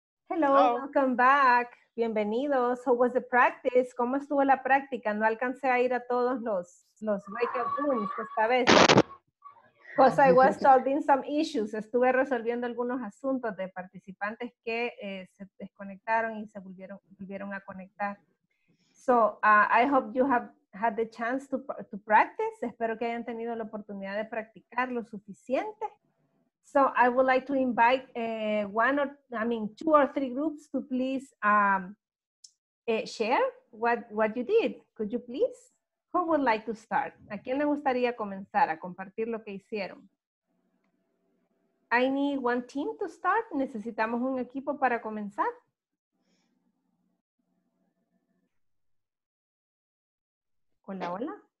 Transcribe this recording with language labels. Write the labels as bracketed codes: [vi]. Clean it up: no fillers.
[en] Hello, welcome back. [es] Bienvenidos. [en] How was the practice? [es] ¿Cómo estuvo la práctica? No alcancé a ir a todos los wake-up rooms esta vez. [en] Because I was solving some issues. [es] Estuve resolviendo algunos asuntos de participantes que se desconectaron y se volvieron a conectar. [en] So, I hope you have had the chance to practice. [es] Espero que hayan tenido la oportunidad de practicar lo suficiente. [en] So I would like to invite two or three groups to please share what you did. Could you please? Who would like to start? [es] ¿A quién le gustaría comenzar a compartir lo que hicieron? [en] I need one team to start. [es] Necesitamos un equipo para comenzar. Hola, hola.